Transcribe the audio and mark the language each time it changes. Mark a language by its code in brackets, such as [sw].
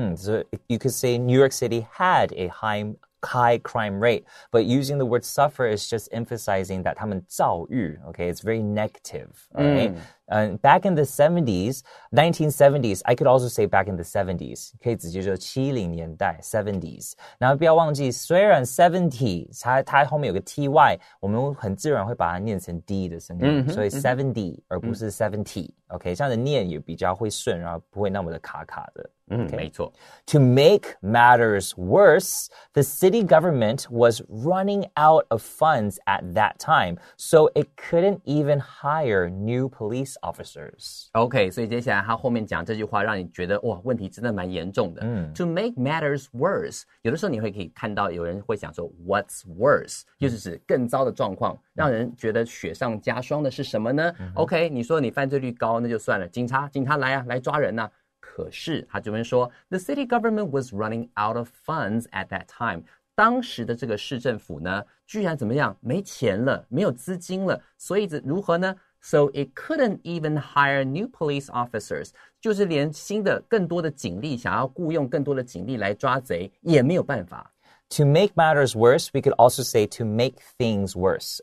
[en] So you could say New York City had a high crime rate, but using the word suffer is just emphasizing that [zh] 他们遭遇 [en] okay, it's very negative, right? Back in the 70s, 1970s, I could also say back in the 70s, [zh] 可以直接说70年代 [en] 70s. [zh] 然后不要忘记，虽然 70, 它后面有个 ty, 我们很自然会把它念成 d 的声音，所以 70 而不是 70, okay, 这样的念也比较会顺，然后不会那么的卡卡的。 Okay. 没错。 [en] To make matters worse, the city government was running out of funds at that time, so it couldn't even hire new police officers. [zh] Okay, 所以接下来他后面讲这句话让你觉得哇，问题真的蛮严重的。 To make matters worse, 有的时候你会可以看到有人会想说 what's worse, 就是指更糟的状况，让人觉得雪上加霜的是什么呢？ Okay, 你说你犯罪率高，那就算了，警察来啊，来抓人啊。可是他这边说 [en] ，the city government was running out of funds at that time. [zh] 当时的这个市政府呢，居然怎么样？没钱了，没有资金了。所以这如何呢 ？ [en] So it couldn't even hire new police officers. [zh] 就是连新的、更多的警力，想要雇用更多的警力来抓贼，也没有办法。 [en] To make matters worse, we could also say to make things worse.